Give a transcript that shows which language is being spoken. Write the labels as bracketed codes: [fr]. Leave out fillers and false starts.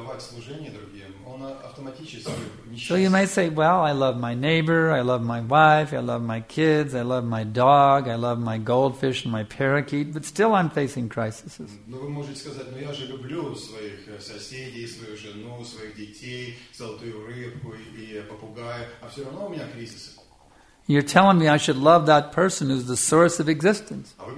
[en] So you might say, well, I love my neighbor, I love my wife, I love my kids, I love my dog, I love my goldfish and my parakeet, but still I'm facing crises. [ru] Ну вы можете сказать, ну я же люблю своих соседей, свою жену, своих детей, золотую рыбку и попугая, а все равно у меня кризисы. [en] You're telling me I should love that person who's the source of existence.